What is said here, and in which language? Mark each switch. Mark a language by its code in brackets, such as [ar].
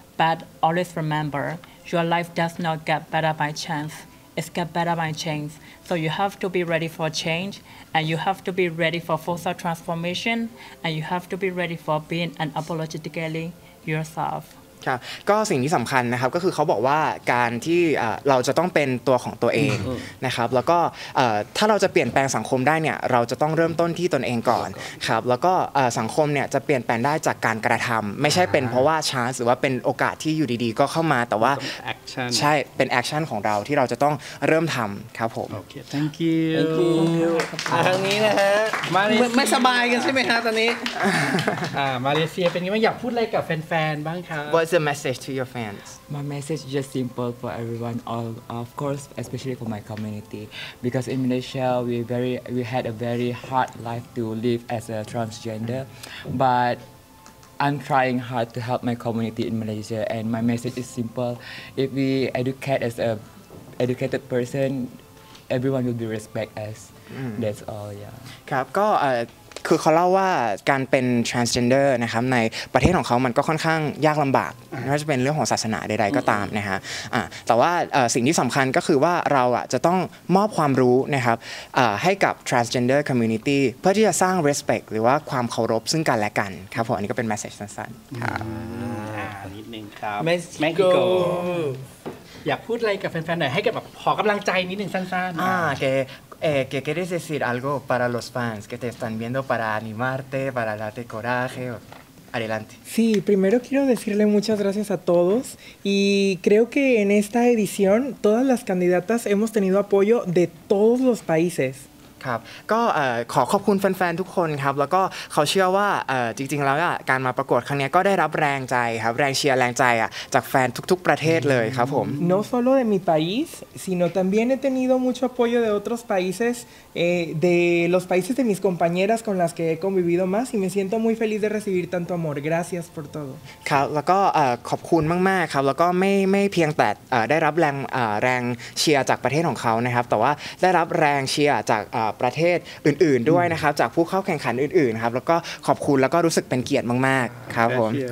[en] But always remember, your life does not get better by chance. It gets better by change. So you have to be ready for change, and you have to be ready for full self transformation, and you have to be ready for being unapologetically yourself. [th] ครับก็สิ่งที่สำคัญนะครับก็คือเขาบอกว่าการที่เราจะต้องเป็นตัวของตัวเองนะครับแล้วก็ถ้าเราจะเปลี่ยนแปลงสังคมได้เนี่ยเราจะต้องเริ่มต้นที่ตนเองก่อนครับแล้วก็สังคมเนี่ยจะเปลี่ยนแปลงได้จากการกระทำไม่ใช่เป็นเพราะว่าชานส์หรือว่าเป็นโอกาสที่อยู่ดีๆก็เข้ามาแต่ว่า แอคชั่น ใช่เป็นแอคชั่นของเราที่เราจะต้องเริ่มทำครับผม โอเค [en] thank you [th] ทางนี้นะฮะ มาไม่สบายกันใช่ไหมฮะตอนนี้ มาเลเซียเป็นยังไงอยากพูดอะไรกับแฟนๆบ้างครับ [en] What's your message to your fans? My message is just simple for everyone, of course, especially for my community. Because in Malaysia, we had a very hard life to live as a transgender. But I'm trying hard to help my community in Malaysia. And my message is simple. If we educate as an educated person, everyone will be respect us. That's all, yeah. [th] ครับก็คือเขาเล่าว่าการเป็น transgender นะครับในประเทศของเขามันก็ค่อนข้างยากลำบากไม่ว่าจะเป็นเรื่องของศาสนาใดๆก็ตามนะฮะแต่ว่าสิ่งที่สำคัญก็คือว่าเราจะต้องมอบความรู้นะครับให้กับ transgender community เพื่อที่จะสร้าง respect หรือว่าความเคารพซึ่งกันและกันครับผมอันนี้ก็เป็น message สั้นๆครับ นิ ดนึ งครับ [en] Mexico [th] อยากพูดอะไรกับแฟนๆหน่อยให้กับแบบขอกำลังใจนิดนึงสั้นๆ [es] โอเคQué quieres decir algo para los fans que te están viendo para animarte, para darte coraje. Adelante. Sí, primero quiero decirle muchas gracias a todos y creo que en esta edición todas las candidatas hemos tenido apoyo de todos los países. [th] ครับก็ขอขอบคุณแฟนๆทุกคนครับแล้วก็เขาเชื่อว่าจริงๆแล้วการมาประกวดครั้งนี้ก็ได้รับแรงใจครับแรงเชียร์แรงใจจากแฟนทุกๆประเทศเลยครับผม [es] No solo de mi país sino también he tenido mucho apoyo de otros países de los países de mis compañeras con las que he convivido más y me siento muy feliz de recibir tanto amor gracias por todo [th] ครับแล้วก็ขอบคุณมากๆครับแล้วก็ไม่เพียงแต่ได้รับแรงเชียร์จากประเทศของเขานะครับแต่ว่าได้รับแรงเชียร์จากประเทศอื่นๆด้วยนะครับจากผู้เข้าแข่งขันอื่นๆครับแล้วก็ขอบคุณแล้วก็รู้สึกเป็นเกียรติมากๆครับผม